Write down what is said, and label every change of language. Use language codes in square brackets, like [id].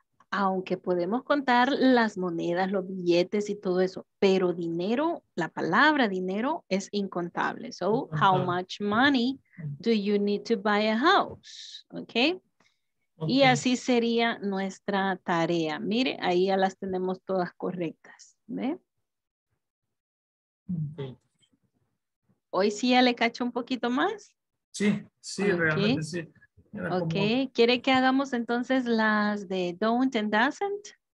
[es] Aunque podemos contar las monedas, los billetes y todo eso, pero dinero, la palabra dinero es incontable. [en] So, how much money do you need to buy a house? [es] Okay. Okay. Y así sería nuestra tarea. Mire, ahí ya las tenemos todas correctas. ¿Ve? [en] Okay. [es] Hoy sí ya le cacho un poquito más. Sí, sí, okay. Realmente sí. Era ok, como... ¿quiere que hagamos entonces las de don't and doesn't?